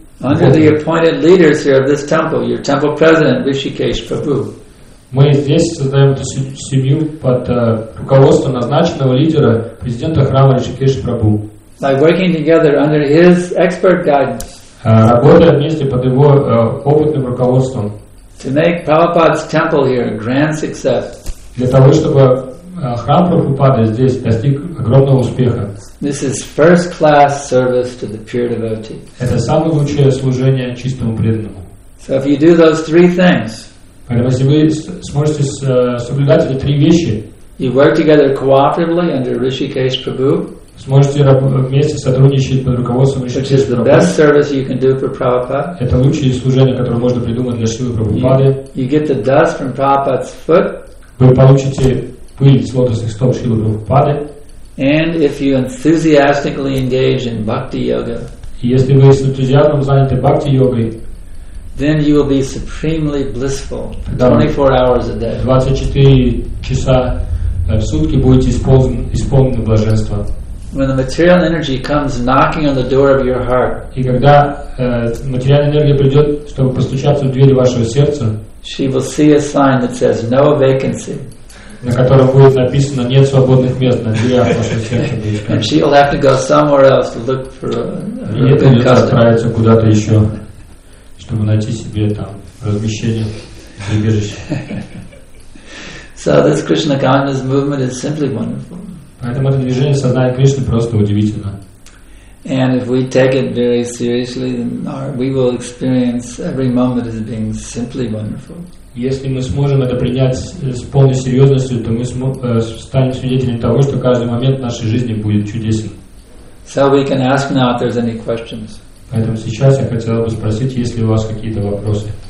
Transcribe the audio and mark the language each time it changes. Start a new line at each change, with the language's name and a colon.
English: Under the appointed leaders here of this temple, your temple president, Rishikesh Prabhu.
Russian: Мы здесь создаем эту семью под руководством назначенного лидера, президента храма Ришикеш Прабху.
English: By working together under his expert guidance.
Russian: Работая вместе под его опытным руководством.
English: To make Prabhupada's temple here a grand success.
Russian: Для того, чтобы храм Прабхупады здесь достиг огромного успеха.
English: This is first class service to the pure devotee.
Russian: Это самое лучшее служение чистому преданному.
English: So if you do those three things,
Russian: поэтому если вы сможете соблюдать эти три вещи,
English: You work together cooperatively under Rishikesh Prabhu.
Russian: Сможете вместе сотрудничать под руководством Ришикеша Прабху.
English: Which is the best service you can do for Prabhupada.
Russian: Это лучшее служение, которое можно придумать для Шилы Прабхупады.
English: You get the dust from Prabhupada's foot.
Russian: Вы получите пыль с лотосных стоп Шилы Прабхупады.
English: And if you enthusiastically engage in bhakti yoga.
Russian: Если вы с энтузиазмом заняты бхакти йогой,
English: then you will be supremely blissful 24 hours a day.
Russian: 24 часа в сутки будете исполнены блаженства.
English: When the material energy comes knocking on the door of your heart,
Russian: и когда материальная энергия придет, чтобы постучаться в двери вашего сердца,
English: she will see a sign that says no vacancy,
Russian: на котором будет написано нет свободных мест на дверях вашего сердца.
English: And she will have to go somewhere else to look for a good customer.
Russian: И это придется отправиться куда-то еще, чтобы найти себе там размещение, прибежище.
English: So this Krishna consciousness movement is simply wonderful.
Russian: Поэтому это движение сознания Кришны просто удивительно.
English: And if we take it very seriously, then we will experience every moment as being simply wonderful.
Russian: Если мы сможем это принять с полной серьезностью, то мы станем свидетелями того, что каждый момент нашей жизни будет чудесен.
English: So we can ask now if there's any questions.
Russian: Поэтому сейчас я хотел бы спросить, есть ли у вас какие-то вопросы.